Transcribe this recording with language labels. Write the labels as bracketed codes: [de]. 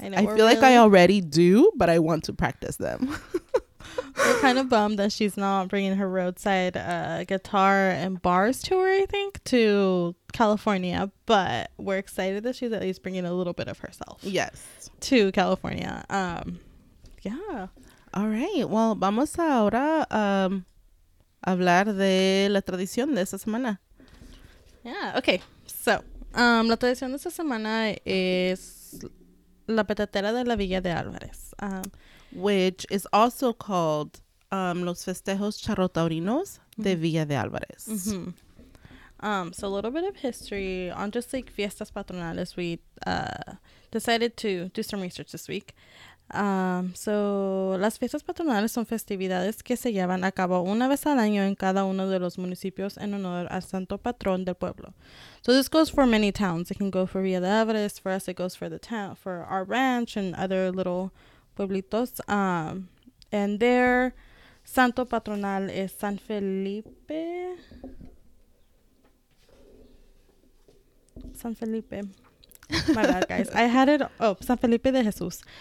[en] I feel like I already do, but I want to practice them. We're kind of bummed that she's not bringing her roadside guitar and bars tour, I think, to California. But we're excited that she's at least bringing a little bit of herself. Yes. To California. Yeah. All right. [es] Well, vamos ahora a hablar de la tradición de esta semana. [en] Yeah. Okay. [es] So, la tradición de esta semana is la petatera de la Villa de Álvarez. [en] Which is also called Los Festejos Charrotaurinos de Villa de Álvarez. Mm-hmm. So a little bit of history. On just like fiestas patronales, we decided to do some research this week. [es] So las fiestas patronales son festividades que se llevan a cabo una vez al año en cada uno de los municipios en honor al santo patrón del pueblo. [en] So this goes for many towns. It can go for Villa de Álvarez. For us, it goes for the town, for our ranch and other little pueblitos, and their santo patronal is San Felipe. San Felipe. My bad, guys. I had it. Oh, San Felipe de Jesús.